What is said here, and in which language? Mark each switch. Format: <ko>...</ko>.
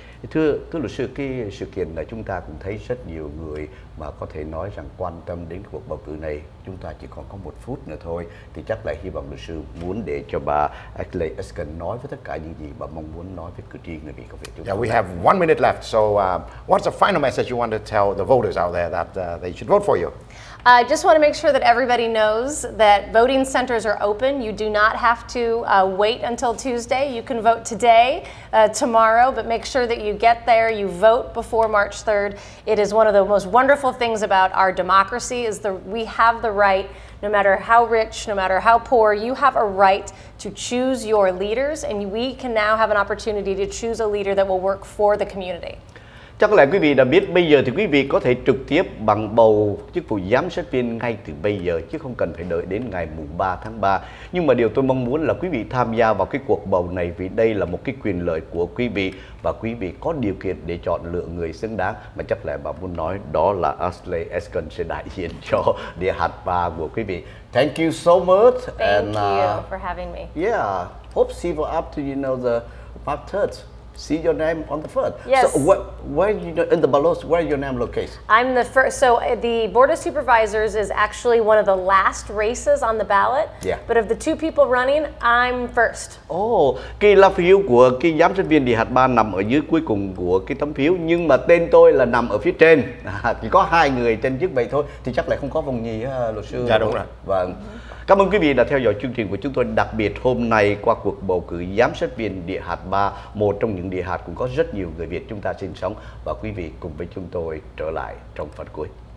<vi>Thưa luật sư, cái sự kiện là chúng ta cũng thấy rất nhiều người mà có thể nói rằng quan tâm đến cuộc bầu cử này. Chúng ta chỉ còn có một phút nữa thôi, thì chắc là hy vọng luật sư muốn để cho bà Ashley Eskin nói với tất cả những gì bà mong muốn nói với cử tri người Mỹ công việc chúng ta.</vi> <en>Yeah, we have one minute left. So what's the final message you want to tell the voters out there that they should vote for you? I just want to make sure that everybody knows that voting centers are open. You do not have to wait until Tuesday. You can vote today, tomorrow, but make sure that you get there. You vote before March 3rd. It is one of the most wonderful things about our democracy is that we have the right, no matter how rich, no matter how poor, you have a right to choose your leaders, and we can now have an opportunity to choose a leader that will work for the community.</en> <vi>Chắc là quý vị đã biết, bây giờ thì quý vị có thể trực tiếp bằng bầu chức vụ giám sát viên ngay từ bây giờ, chứ không cần phải đợi đến ngày mùng 3 tháng 3. Nhưng mà điều tôi mong muốn là quý vị tham gia vào cái cuộc bầu này, vì đây là một cái quyền lợi của quý vị, và quý vị có điều kiện để chọn lựa người xứng đáng. Mà chắc là bà muốn nói đó là Ashley Eskin sẽ đại diện cho địa hạt 3 của quý vị.</vi> <en>Thank you so much. Thank you for having me. Yeah, hope see you after you know the 5/3. See your name on the front. Yes. So where you know, in the ballots, where your name locates? I'm the first. So the Board of Supervisors is actually one of the last races on the ballot. Yeah. But of the two people running, I'm first.</en> <vi>Oh, cái lá phiếu của cái giám sát viên địa hạt 3 nằm ở dưới cuối cùng của cái tấm phiếu, nhưng mà tên tôi là nằm ở phía trên. Chỉ có hai người trên chức vậy thôi, thì chắc lại không có vòng nhì luật sư. Dạ đúng rồi. Vâng. Cảm ơn quý vị đã theo dõi chương trình của chúng tôi đặc biệt hôm nay qua cuộc bầu cử giám sát viên địa hạt 3, một trong những địa hạt cũng có rất nhiều người Việt chúng ta sinh sống, và quý vị cùng với chúng tôi trở lại trong phần cuối.</vi>